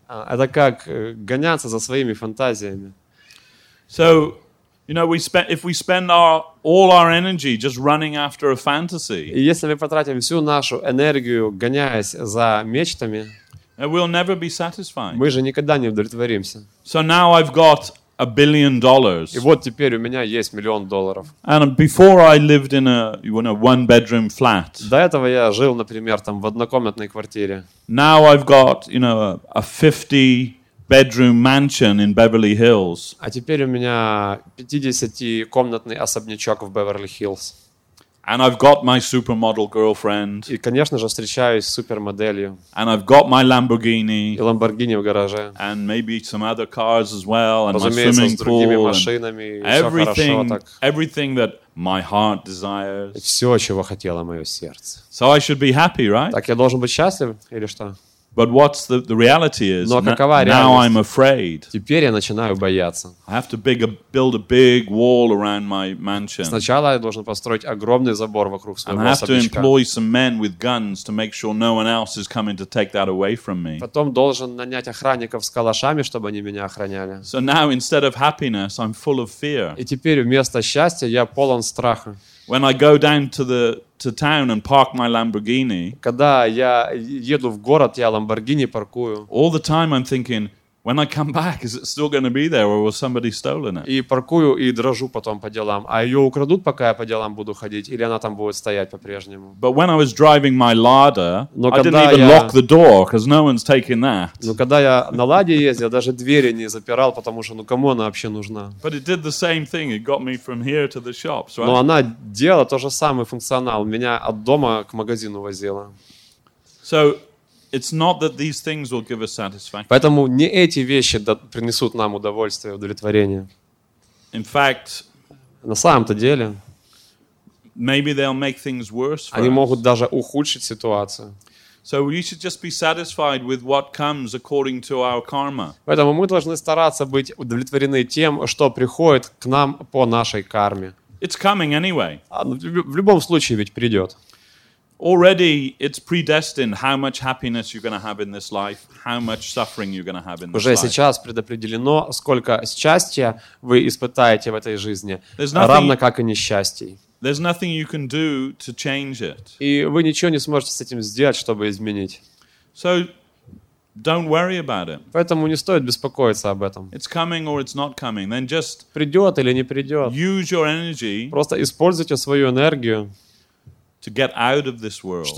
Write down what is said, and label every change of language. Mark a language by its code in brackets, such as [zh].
[ru] Это как гоняться за своими фантазиями. [en] So, you know, if we spend all our energy just running after a fantasy. [ru] Если мы потратим всю нашу энергию, гоняясь за мечтами, [en] we'll never be satisfied. [ru] Мы же никогда не удовлетворимся. [en] So now I've got $1 billion. [ru] И вот теперь у меня есть миллион долларов. [en] And before I lived in a one-bedroom flat. [ru] До этого я жил, например, там в однокомнатной квартире. [en] Now I've got, you know, a 50-bedroom mansion in Beverly Hills. [ru] А теперь у меня 50-комнатный особнячок в Беверли-Хиллз. [en] And I've got my supermodel girlfriend. [ru] И, конечно же, встречаюсь с супермоделью. [en] And I've got my Lamborghini. [ru] И Lamborghini в гараже. [en] And maybe some other cars as well. And [ru] разумеется, [en] my swimming pool. [ru] С другими машинами. И [en] everything, [ru] все хорошо, так. [en] Everything that my heart desires. [ru] Все, чего хотело мое сердце. [en] So I should be happy, right? [ru] Так я должен быть счастлив или что? [en] But what's the reality is? [ru] Но какова реальность? [en] Now I'm afraid. [ru] Теперь я начинаю бояться. [en] I have to build a big wall around my mansion. [ru] Сначала я должен построить огромный забор вокруг своего особнячка. [en] I have to employ some men with guns to make sure no one else is coming to take that away from me. [ru] Потом должен нанять охранников с калашами, чтобы они меня охраняли. [en] So now instead of happiness, I'm full of fear. [ru] И теперь вместо счастья я полон страха. [en] When I go down to town and park my Lamborghini. [ru] Когда я еду в город, я Lamborghini паркую. [en] All the time I'm thinking, when I come back, is it still going to be there, or was somebody stolen it? [ru] И паркую и дрожу потом по делам. А ее украдут, пока я по делам буду ходить, или она там будет стоять по-прежнему? [en] But when I was driving my Lada, I didn't even lock the door, because no one's taking that. [ru] Но когда я на Ладе ездил, даже двери не запирал, потому что ну кому она вообще нужна? [en] But it did the same thing. It got me from here to the shops. Right? [ru] Но она делала тот же самый функционал, меня от дома к магазину возила. [en] So. It's not that these things will give us satisfaction. [ru] Поэтому не эти вещи принесут нам удовольствие, удовлетворение. [en] In fact, [ru] на самом-то деле, [en] maybe they'll make things worse for [ru] они [en] us. [ru] Могут даже ухудшить ситуацию. [en] So we should just be satisfied with what comes according to our karma. [ru] Поэтому мы должны стараться быть удовлетворены тем, что приходит к нам по нашей карме. [en] It's coming anyway. [ru] В любом случае ведь придет. [en] Already it's predestined how much happiness you're going to have in this life, how much suffering you're going to have in this life. [ru] Уже сейчас предопределено, сколько счастья вы испытаете в этой жизни, равно как и несчастий. [en] There's nothing you can do to change it. [ru] И вы ничего не сможете с этим сделать, чтобы изменить. [en] So don't worry about it. [ru] Поэтому не стоит беспокоиться об этом. [en] It's coming or it's not coming. Then just [ru] придёт или не придёт. [en] Use your energy. [ru] Просто используйте свою энергию. [en] To get out of this world.